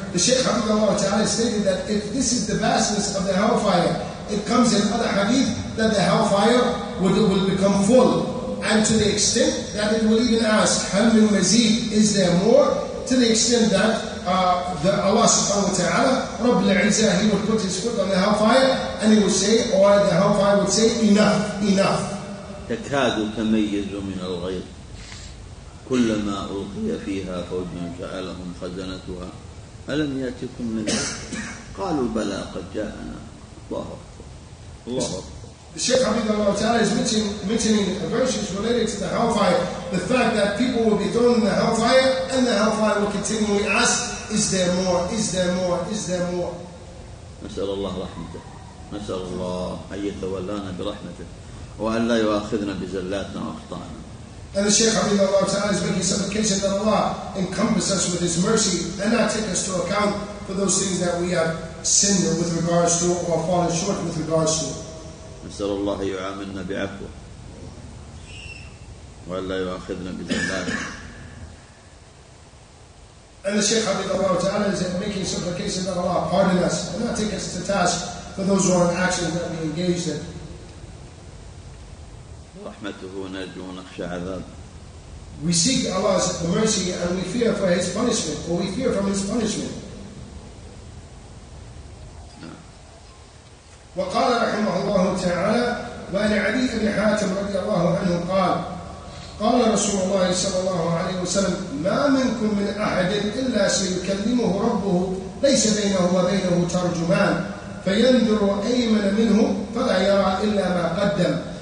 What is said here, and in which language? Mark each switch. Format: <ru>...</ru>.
<en>The Shaykh Hafidhullah Ta'ala stated that if this is the vastness of the hellfire, it comes in other hadith that the hellfire will become full, and to the extent that it will even ask,</en> <ar>"Hal min mazid?"</ar> <en>Is there more? To the extent that the Allah Subhanahu wa Ta'ala, Rabbul Izzah, He would put His foot on the hellfire, and He would say, or the hellfire would say, "Enough, enough."</en> <ar>تكاد تميز من الغيظ كلما ألقي فيها فوج سألهم خزنتها ألم يأتكم نذير قالوا بلى قد جاءنا الله أكبر الله أكبر.</ar> <en>Sheikh Hafidhullah Ta'ala is mentioning verses related to the hellfire, the fact that people will be thrown in the hellfire and the hellfire will continually ask, is there more, is there more, is there more.</en> <ar>نسأل الله رحمته نسأل الله أن يتولانا برحمته وأن لا يؤاخذنا بزلاتنا وأخطائنا.</ar> <en>And the Shaykh Hafidhullah Ta'ala is making supplication that Allah encompass us with His mercy and not take us to account for those things that we have sinned with regards to or fallen short with regards to.</en> <ar>نسأل الله يعاملنا بعفو وأن لا يؤاخذنا بزلاتنا.</ar> <en>And the Shaykh Hafidhullah Ta'ala is making supplication that Allah pardon us and not take us to task for those wrong actions that we engaged in.</en> <ar>رحمته ونرجو ونخشى عذاب.</ar> <en>We seek Allah's mercy and we fear for His punishment, or we fear from His punishment.</en> <ar>وقال رحمه الله تعالى وعن علي بن حاتم رضي الله عنه قال قال رسول الله صلى الله عليه وسلم ما منكم من أحد إلا سيكلمه ربه ليس بينه وبينه ترجمان فينذر أيمن منه فلا يرى إلا ما قدم</ar>